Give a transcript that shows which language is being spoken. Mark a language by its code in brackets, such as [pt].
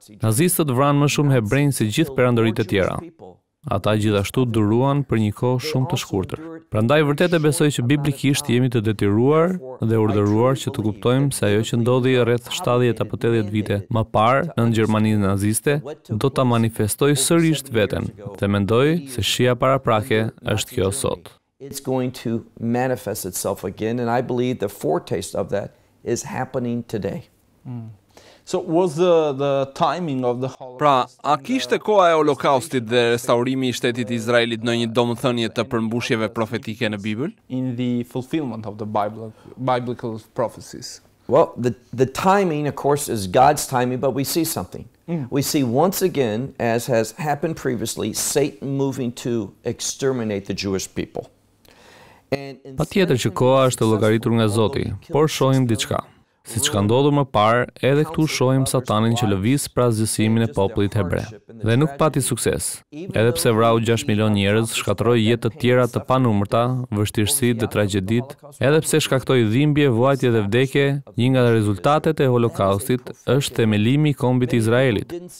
[sq] Nazistët vranë më shumë hebrejnë se gjithë perandorit e tjera. Ata gjithashtu duruan për një kohë shumë të shkurtër. Prandaj vërtet e besoj që biblikisht jemi të detyruar dhe urdhëruar që të kuptojmë se ajo që ndodhi rreth 70 apo 80 vite më parë në Gjermaninë naziste do ta manifestojë sërish veten. Dhe mendoj se shija paraprake është kjo sot. [en] It's going to manifest itself again and I believe the foretaste of that is happening today. So was the timing of the Holocaust? [sq] Pra, a kishte koha e Holokaustit dhe restaurimi i shtetit të Izraelit ndonjë domethënie të përmbushjeve profetike në Bibël? [en] In the fulfillment of the biblical prophecies. Well, the timing of course is God's timing, but we see something. We see once again, as has happened previously, Satan moving to exterminate the Jewish people. [sq] Pa tjetër që koha është llogaritur nga Zoti, por shohim diçka. Si që ka ndodhur më parë, edhe këtu shohim Satanin që lëviz pra zgjësimin e popullit hebre. Dhe nuk pati sukses. Edhe pse vrau 6 milion njerëz, shkatroi jetë të tjera të panumërta, vështirësi dhe tragjedit, edhe pse shkaktoi dhimbje, vuajtje dhe vdekje, një nga rezultatet e Holokaustit është themelimi i kombit të Izraelit.